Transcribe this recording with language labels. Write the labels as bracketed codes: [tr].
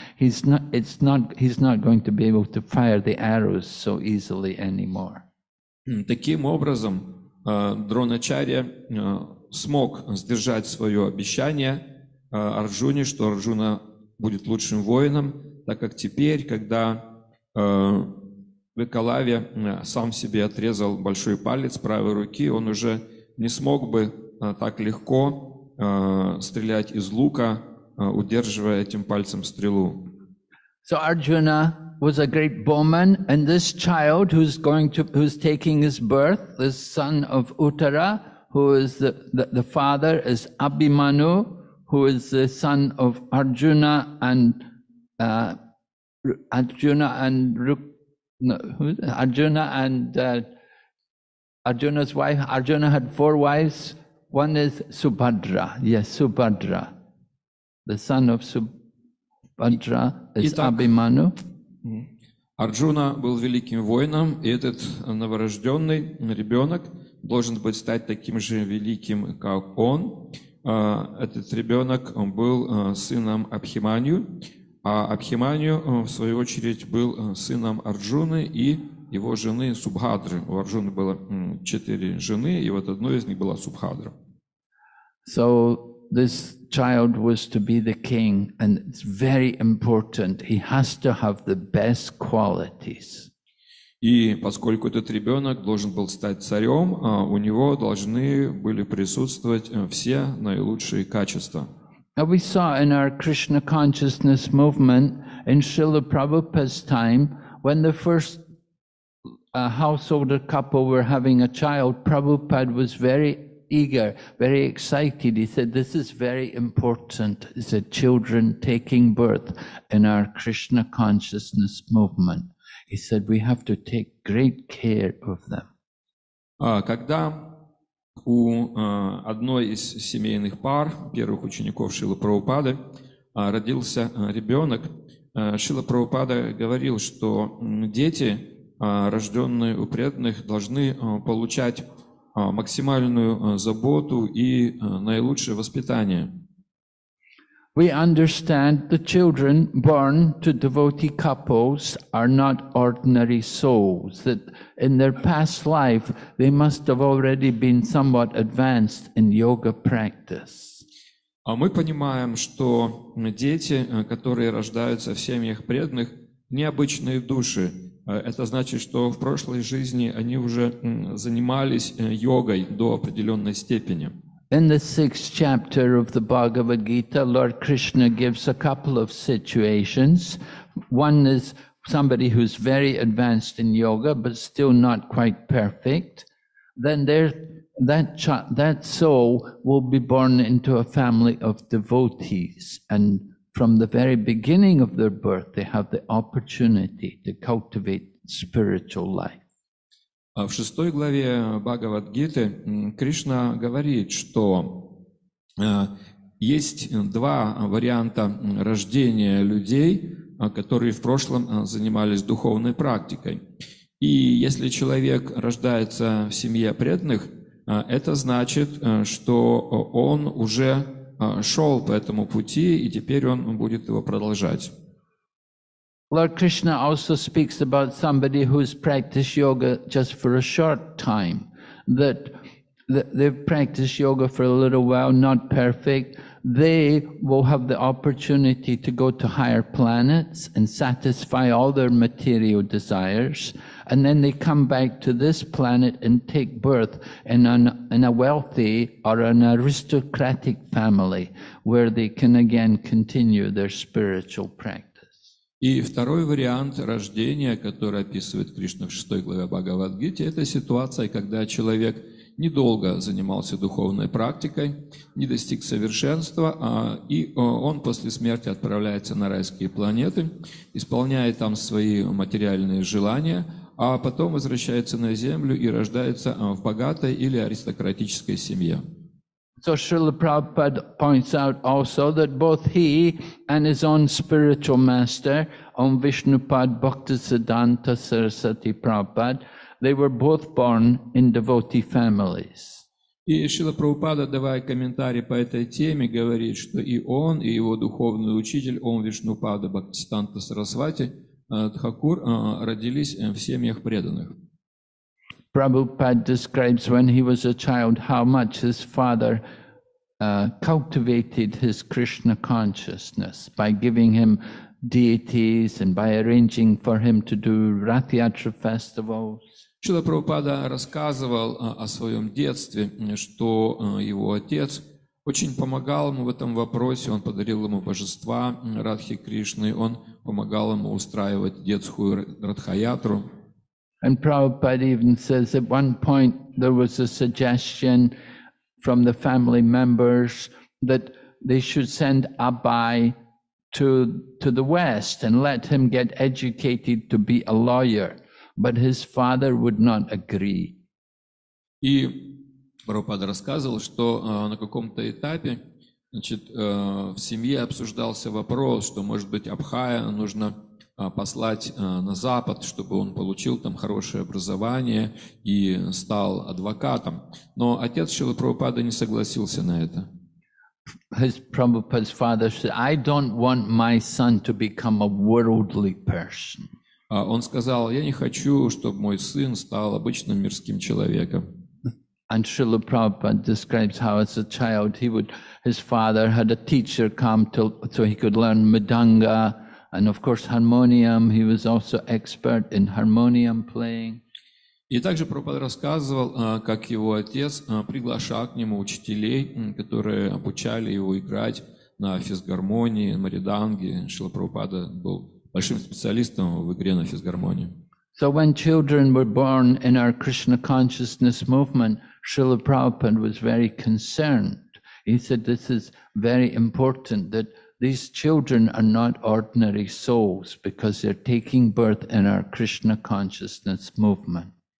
[en] He's not going to be able to fire the arrows so easily anymore. [ru] Таким образом, Дроначарья смог сдержать свое обещание Арджуне, что Арджуна будет лучшим воином, так как теперь, когда Экалавья сам себе отрезал большой палец правой руки, он уже не смог бы так легко стрелять из лука, удерживая этим пальцем стрелу. [en] So Arjuna was a great bowman, and this child who's taking his birth, this son of Uttara, who is the father is Abhimanyu, who is the son of Arjuna Arjuna's wife. Arjuna had four wives. One is Subhadra. Yes, Subhadra. The son of Subhadra is Abhimanyu. [ru] Арджуна был великим воином, и этот новорожденный ребенок должен быть стать таким же великим, как он. Этот ребенок был сыном Абхиманью. А Абхиманию, в свою очередь, был сыном Арджуны и его жены Субхадры. У Арджуны было четыре жены, и вот одной из них была Субхадра. [en] So this child was to be the king, and it's very important. He has to have the best qualities. [ru] И поскольку этот ребенок должен был стать царем, у него должны были присутствовать все наилучшие качества. [en] Now we saw in our Krishna consciousness movement in Srila Prabhupada's time, when the first householder couple were having a child, Prabhupada was very eager, very excited. He said, this is very important. He said, children taking birth in our Krishna consciousness movement. He said, we have to take great care of them. [ru] Когда у одной из семейных пар, первых учеников Шрилы Прабхупады, родился ребенок, Шрила Прабхупада говорил, что дети, рожденные у преданных, должны получать максимальную заботу и наилучшее воспитание. [en] We understand the children born to devotee couples are not ordinary souls, that in their past life they must have already been somewhat advanced in yoga practice. [ru] А мы понимаем, что дети, которые рождаются в семьях преданных, необычные души. Это значит, что в прошлой жизни они уже занимались йогой до определенной степени. [en] In the sixth chapter of the Bhagavad Gita, Lord Krishna gives a couple of situations. One is somebody who's very advanced in yoga, but still not quite perfect. Then that soul will be born into a family of devotees. And from the very beginning of their birth, they have the opportunity to cultivate spiritual life. [ru] В шестой главе Бхагавад-гиты Кришна говорит, что есть два варианта рождения людей, которые в прошлом занимались духовной практикой. И если человек рождается в семье преданных, это значит, что он уже шел по этому пути, и теперь он будет его продолжать. [en] Lord Krishna also speaks about somebody who's practiced yoga just for a short time, that they've practiced yoga for a little while, not perfect. They will have the opportunity to go to higher planets and satisfy all their material desires. And then they come back to this planet and take birth in a wealthy or an aristocratic family where they can again continue their spiritual practice. [ru] И второй вариант рождения, который описывает Кришна в шестой главе Бхагавад-гиты, это ситуация, когда человек недолго занимался духовной практикой, не достиг совершенства, и он после смерти отправляется на райские планеты, исполняет там свои материальные желания, а потом возвращается на землю и рождается в богатой или аристократической семье. [en] So Srila Prabhupada points out also that both he and his own spiritual master, Om Vishnupad Bhaktisiddhanta Sarasati Prabhupada, they were both born in devotee families. [ru] И Шрила Прабхупада, давая комментарий по этой теме, говорит, что и он, и его духовный учитель, Ом Вишнупада Бхактисиддханта Сарасвати Тхакур, родились в семьях преданных. [en] Prabhupada describes when he was a child how much his father cultivated his Krishna consciousness by giving him deities and by arranging for him to do Rathyatra festivals. [ru] Шрила Прабхупада рассказывал о своем детстве, что его отец очень помогал ему в этом вопросе, он подарил ему божества Радхи Кришны, он помогал ему устраивать детскую Радхаятру. [en] And Prabhupada even says at one point there was a suggestion from the family members that they should send Abai to the West and let him get educated to be a lawyer, but his father would not agree. [ru] И Прабхупада рассказывал, что на каком-то этапе, значит, в семье обсуждался вопрос, что, может быть, Абхая нужно послать на Запад, чтобы он получил там хорошее образование и стал адвокатом. Но отец Шрилы Прабхупады не согласился на это. [en] His Prabhupada's father said, I don't want my son to become a worldly person. [ru] Он сказал, я не хочу, чтобы мой сын стал обычным мирским человеком. [en] And Srila Prabhupada describes how as a child his father had a teacher come so he could learn Madanga. And of course, harmonium. He was also expert in harmonium playing. [ru] И также Прабхупада рассказывал, как его отец приглашал к нему учителей, которые обучали его играть на физгармонии, мариданге. Шрила Прабхупада был большим специалистом в игре на физгармонии. [en] So when children were born in our Krishna consciousness movement, Srila Prabhupada was very concerned. He said, this is very important that these children are not ordinary souls because they're taking birth in our Krishna consciousness movement.